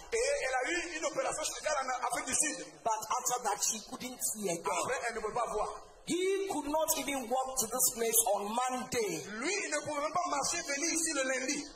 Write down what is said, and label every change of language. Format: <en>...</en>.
<fr>Et elle a eu une opération chirurgicale en Afrique du Sud.</fr> <en>But after that, she couldn't see again.</en> <fr>Après, elle ne pouvait pas voir.</fr> <en>He could not even walk to this place on Monday.</en> <fr>Lui ne pouvait même pas marcher venir ici le lundi.</fr>